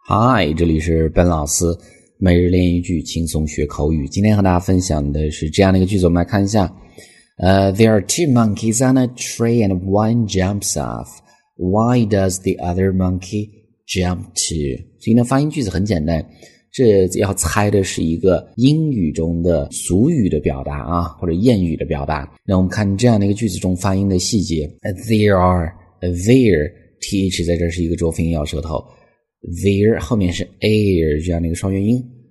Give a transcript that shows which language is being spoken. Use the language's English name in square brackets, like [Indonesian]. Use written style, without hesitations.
[Chinese] 嗨，这里是本老师每日练一句轻松学口语。今天和大家分享的是这样的一个句子，我们来看一下。 [English] There are two monkeys on a tree and one jumps off. Why does the other monkey jump too? [Chinese] 所以呢，发音句子很简单，这要猜的是一个英语中的俗语的表达啊，或者谚语的表达。那我们看这样的一个句子中发音的细节。There, th 在这是一个浊辅音咬舌头。 There 后面是 air 这样的一个双元音。